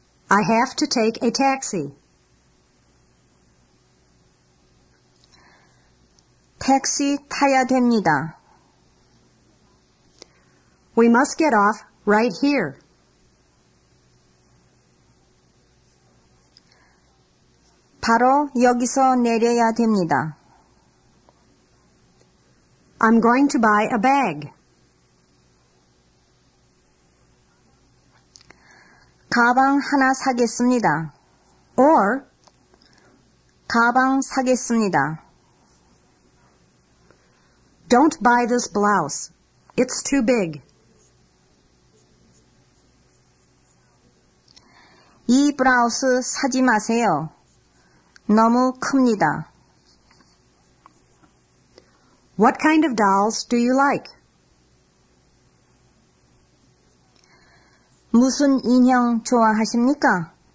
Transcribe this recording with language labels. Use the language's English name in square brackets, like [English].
[English] I have to take a taxi. [Korean] 택시 타야 됩니다. [English] We must get off right here. [Korean] 바로 여기서 내려야 됩니다. [English] I'm going to buy a bag. [Korean] 가방 하나 사겠습니다. [English] Or [Korean] 가방 사겠습니다. [English] Don't buy this blouse. It's too big. [Korean] 이 블라우스 사지 마세요. 너무 큽니다. [English] What kind of dolls do you like? [Korean] 무슨 인형 좋아하십니까?